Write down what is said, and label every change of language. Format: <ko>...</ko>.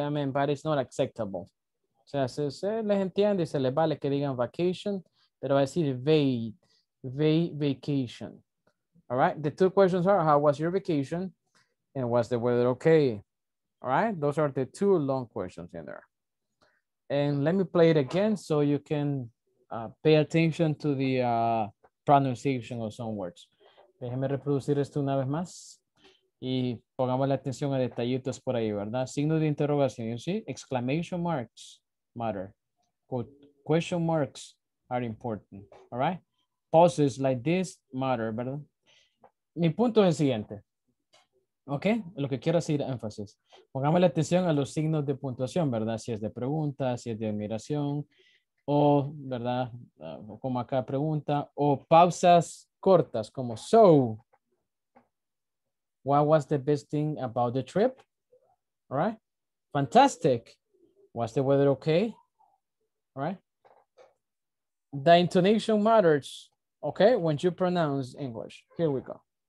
<en>I mean, but it's not acceptable.</en> <es>O sea, se les entiende, se les vale que digan vacation, pero va a decir vacation. All right?</es> <en>The two questions are, how was your vacation? And was the weather okay? All right, those are the two long questions in there. And let me play it again so you can pay attention to the pronunciation of some words.</en> <es>Déjeme reproducir esto una vez más y pongamos la atención a detallitos por ahí, ¿verdad? Signo de interrogación,</es> <en>you see? Exclamation marks matter. Question marks are important, all right? Pauses like this matter, ¿verdad?</en> <es>Mi punto es el siguiente. Ok, lo que quiero decir, énfasis. Pongamos la atención a los signos de puntuación, ¿verdad? Si es de pregunta, si es de admiración, o, ¿verdad? Como acá pregunta, o pausas, cortas, como so.</es> <en>What was the best thing about the trip? All right. Fantastic. Was the weather okay? All right. The intonation matters, okay, when you pronounce English. Here we go.</en>